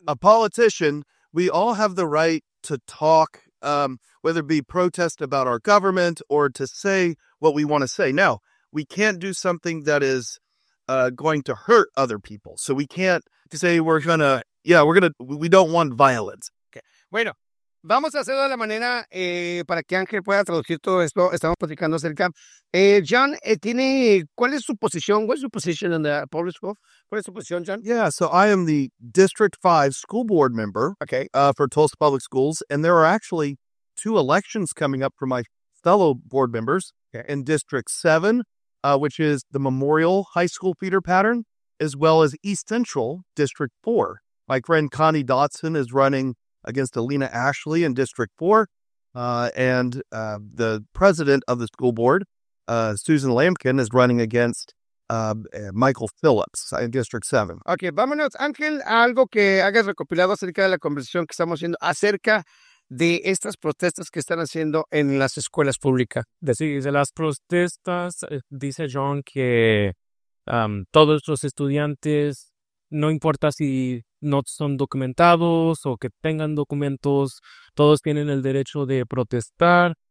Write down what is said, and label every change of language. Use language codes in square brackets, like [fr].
[en] a politician, we all have the right to talk, whether it be protest about our government or to say what we want to say. Now, we can't do something that is going to hurt other people. So we can't say we're gonna, yeah, we're gonna, we don't want violence. [es] Bueno, vamos a hacerlo de la manera para que Ángel pueda traducir todo esto. Estamos platicando acerca. John, ¿cuál es su posición? ¿Cuál es su posición en la [en] public school? [es] ¿Cuál es su posición, John? [en] Yeah, so I am the District 5 school board member Okay. For Tulsa Public Schools, and there are actually two elections coming up for my fellow board members in District 7, which is the Memorial High School feeder pattern, as well as East Central District 4. My friend Connie Dotson is running against Alina Ashley in District 4, and the president of the school board, Susan Lampkin, is running against Michael Phillips in District 7. [es] Ok, vámonos, Ángel, a algo que hagas recopilado acerca de la conversación que estamos haciendo, acerca de estas protestas que están haciendo en las escuelas públicas. Sí, de las protestas, dice John que todos los estudiantes, no importa si no son documentados o que tengan documentos, todos tienen el derecho de protestar.